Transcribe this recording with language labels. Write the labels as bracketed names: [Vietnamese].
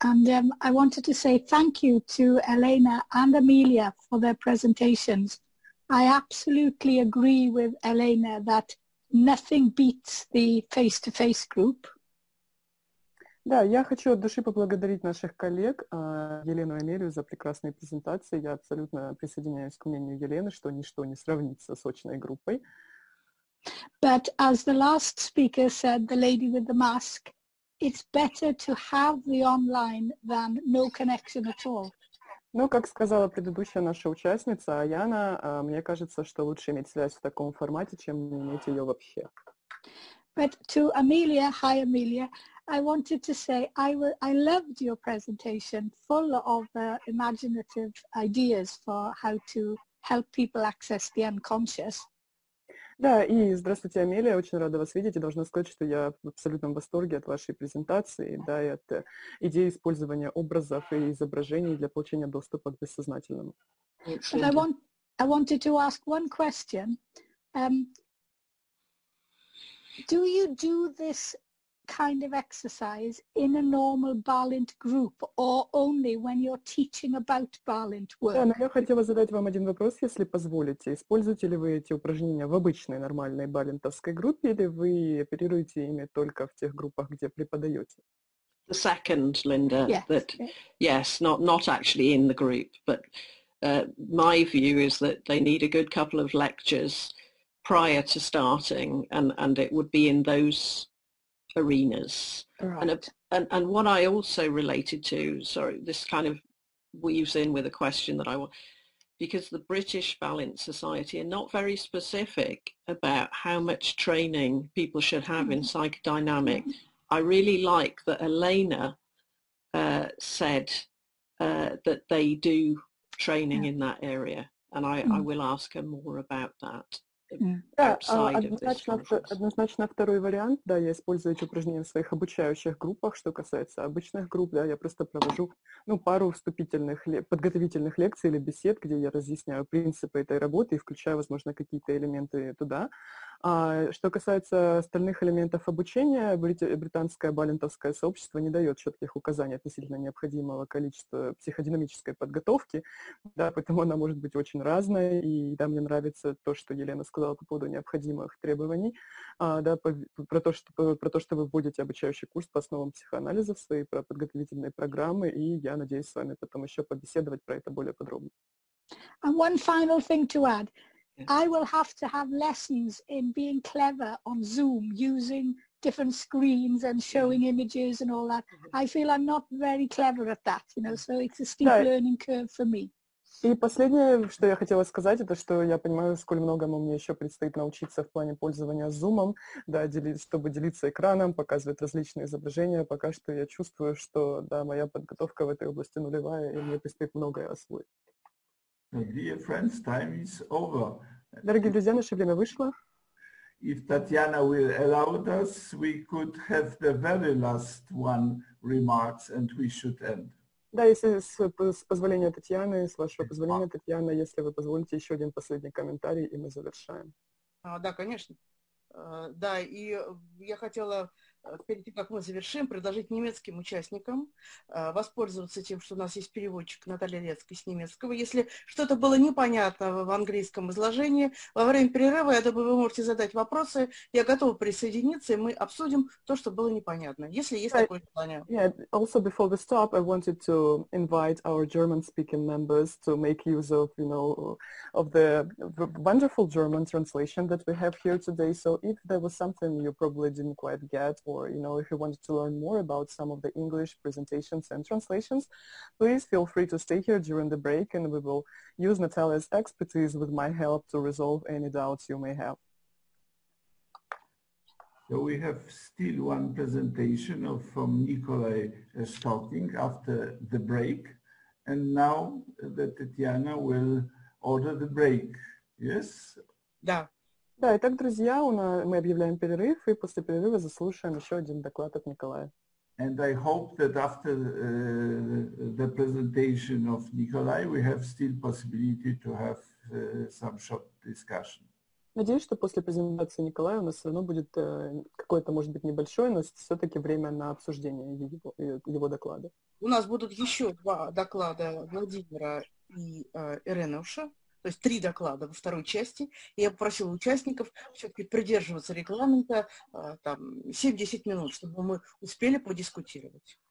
[English] And I wanted to say thank you to Elena and Amelia for their presentations. I absolutely agree with Elena that nothing beats the face-to-face group. [Russian] Да, я хочу от души поблагодарить наших коллег, Елену и Амелию, за прекрасные презентации. Я абсолютно присоединяюсь к мнению Елены, что ничто не сравнится с очной группой. [English] But as the last speaker said, the lady with the mask, it's better to have the online than no connection at all. [Russian] Ну, как сказала предыдущая наша участница Аяна, мне кажется, что лучше иметь связь в таком формате, чем не иметь ее вообще. [English] But to Amelia, hi Amelia, I wanted to say I loved your presentation, full of imaginative ideas for how to help people access the unconscious. [Russian] Да, и здравствуйте, Амелия, очень рада вас видеть, и должна сказать, что я в абсолютном восторге от вашей презентации, да, и от идеи использования образов и изображений для получения доступа к бессознательному. [English] But I wanted to ask one question. Do you do this kind of exercise in a normal Balint group or only when you're teaching about Balint work? [Russian] Да, но я хотела задать вам один вопрос, если позволите. Используете ли вы эти упражнения в обычной нормальной балинтовской группе или вы оперируете ими только в тех группах, где преподаете? [English] The second, Linda, yes, not actually in the group, but my view is that they need a good couple of lectures prior to starting, and it would be in those arenas. Right. And what I also related to, sorry, this kind of weaves in with a question that I want, because the British Balint Society are not very specific about how much training people should have in psychodynamic. I really like that Elena said that they do training in that area, and I will ask her more about that. [Russian] Однозначно второй вариант, да, я использую эти упражнения в своих обучающих группах. Что касается обычных групп, да, я просто провожу, ну, пару вступительных, подготовительных лекций или бесед, где я разъясняю принципы этой работы и включаю, возможно, какие-то элементы туда. А что касается остальных элементов обучения, британское балентовское сообщество не дает четких указаний относительно необходимого количества психодинамической подготовки, да, поэтому она может быть очень разной, и да, мне нравится то, что Елена сказала по поводу необходимых требований, про то, что вы вводите обучающий курс по основам психоанализа в свои подготовительные программы, и я надеюсь с вами потом еще побеседовать про это более подробно. [English] And one final thing to add. I will have to have lessons in being clever on Zoom, using different screens and showing images and all that. I feel I'm not very clever at that, you know, so it's a steep learning curve for me. [Russian] И последнее, что я хотела сказать, это что я понимаю, сколь многому мне еще предстоит научиться в плане пользования Zoom, да, чтобы делиться экраном, показывать различные изображения. Пока что я чувствую, что, да, моя подготовка в этой области нулевая, и мне предстоит многое освоить. [English] Dear friends, time is over. [Russian] Дорогие друзья, наше время вышло. [English] If Tatiana will allow us, we could have the very last one remarks and we should end. [Russian] Да, если с позволения Татьяны, с вашего позволения, Татьяна, если вы позволите, еще один последний комментарий, и мы завершаем. Да, конечно. Да, и я хотела перед тем, как мы завершим, предложить немецким участникам воспользоваться тем, что у нас есть переводчик Наталья Лецкая с немецкого. Если что-то было непонятно в английском изложении, во время перерыва, я думаю, вы можете задать вопросы. Я готова присоединиться, и мы обсудим то, что было непонятно, если есть такое желание. [English] Yeah, also before the stop, I wanted to invite our German-speaking members to make use of, you know, of the wonderful German translation that we have here today. So if there was something you probably didn't quite get, or, you know, if you wanted to learn more about some of the English presentations and translations, please feel free to stay here during the break, and we will use Natalia's expertise with my help to resolve any doubts you may have. So we have still one presentation from Nikolai Stocking after the break, and now Tatiana will order the break, yes? [Russian] Да. Да, итак, друзья, мы объявляем перерыв, и после перерыва заслушаем еще один доклад от Николая. [English] And I hope that after the presentation of Nikolai, we have still possibility to have some short discussion. [Russian] Надеюсь, что после презентации Николая у нас все равно будет какое-то, может быть, небольшое, но все-таки время на обсуждение его доклада. У нас будут еще два доклада Владимира и Иреновша. То есть три доклада во второй части. Я попросила участников все-таки придерживаться регламента, там, 7-10 минут, чтобы мы успели подискутировать.